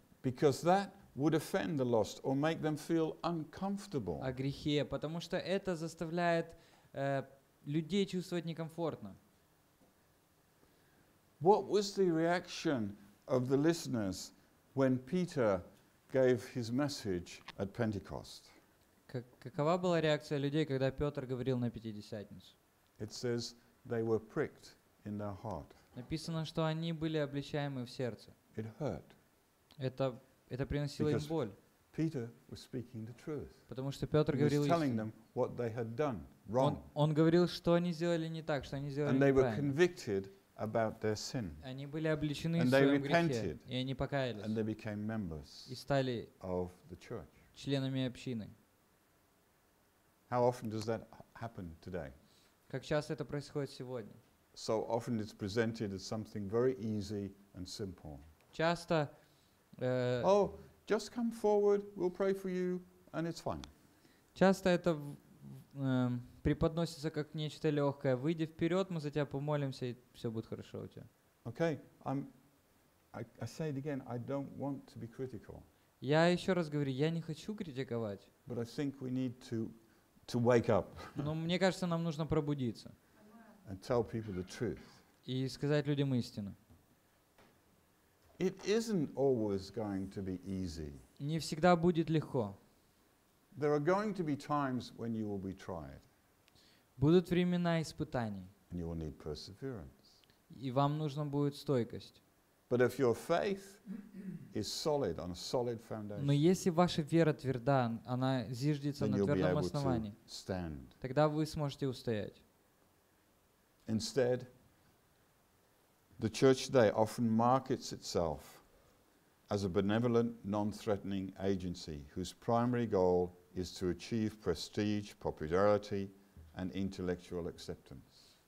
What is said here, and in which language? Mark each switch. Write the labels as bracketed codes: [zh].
[en] Because that would offend the lost or make them feel uncomfortable. [ru] О грехе, потому что это заставляет людей чувствовать некомфортно. [en] What was the reaction of the listeners when Peter gave his message at Pentecost? [ru] Какова была реакция людей, когда Петр говорил на Пятидесятницу? [en] It says they were pricked in their heart. [ru] Написано, что они были обличаемы в сердце. [en] It hurt. [ru] Это приносило им боль. [en] Peter was speaking the truth. [ru] Потому что Петр говорил истину. [en] He was telling them what they had done wrong. [ru] Он говорил, что они сделали не так, что они сделали неправильно. [en] And they were convicted about their sin. [ru] Они были обличены в своем грехе. И они покаялись. [en] And they became members. [ru] И стали [en] of the church. [ru] Членами общины. [en] How often does that happen today? [ru] Как часто это происходит сегодня? [en] So often it's presented as something very easy and simple. [ru] Часто. [en] Oh, just come forward. We'll pray for you, and it's fine. [ru] Часто это преподносится как нечто легкое. Выйди вперед, мы за тебя помолимся, и все будет хорошо у тебя. [en] Okay, I say it again. I don't want to be critical. [ru] Я еще раз говорю, я не хочу критиковать. [en] But I think we need to wake up. [ru] Но мне кажется, нам нужно пробудиться. [en] And tell people the truth. [ru] И сказать людям истину. [en] It isn't always going to be easy. [ru] Не всегда будет легко. [en] There are going to be times when you will be tried. [ru] Будут времена испытаний. [en] And you will need perseverance. [ru] И вам нужно будет стойкость. [en] But if your faith is solid on a solid foundation. [ru] Но если ваша вера тверда, она зиждется на твердом основании. [en] Stand. [ru] Тогда вы сможете устоять. [en] Instead, the church today often markets itself as a benevolent, non-threatening agency whose primary goal is to achieve prestige, popularity, and intellectual acceptance.